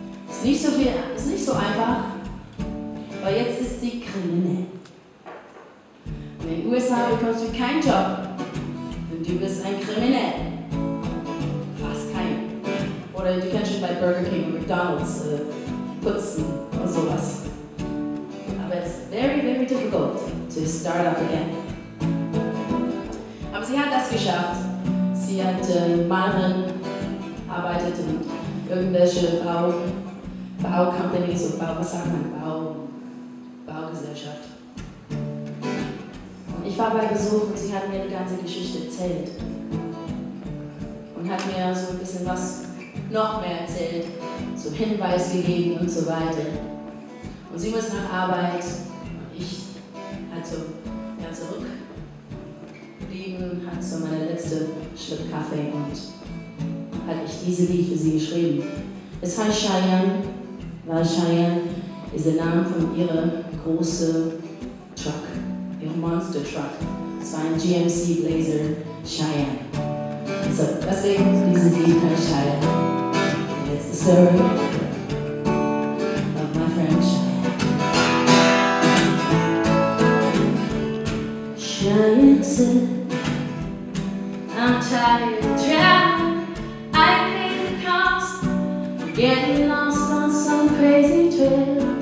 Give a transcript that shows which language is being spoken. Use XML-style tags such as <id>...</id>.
<de>Ist nicht so viel, ist nicht so einfach, aber jetzt ist sie kriminell. Und in den USA bekommst du keinen Job. Du bist ein Kriminell. Fast kein. Oder du kannst schon bei Burger King oder McDonald's putzen oder sowas. Aber</de> <en>it's very, very difficult to start up again.</en> <de>Aber sie hat das geschafft. Sie hat Malerin, arbeitet in irgendwelche Bau-Companies oder Bau, was sagt man, Baugesellschaft. Ich war bei Besuch und sie hat mir die ganze Geschichte erzählt und hat mir so ein bisschen was noch mehr erzählt, so Hinweis gegeben und so weiter. Und sie muss nach Arbeit, ich also ja zurückgeblieben, hat so meine letzte Schluck Kaffee und hat ich diese Lied für sie geschrieben. Es heißt Cheyenne, weil Cheyenne ist der Name von ihrer großen Truck. Ihr Monster Truck. Es war ein GMC Blazer Cheyenne. So, deswegen diese Lied heißt Cheyenne.</de> <en>And it's the story of my friend Cheyenne. Cheyenne said, I'm tired of driving. I pay the cost for getting lost on some crazy trail.</en>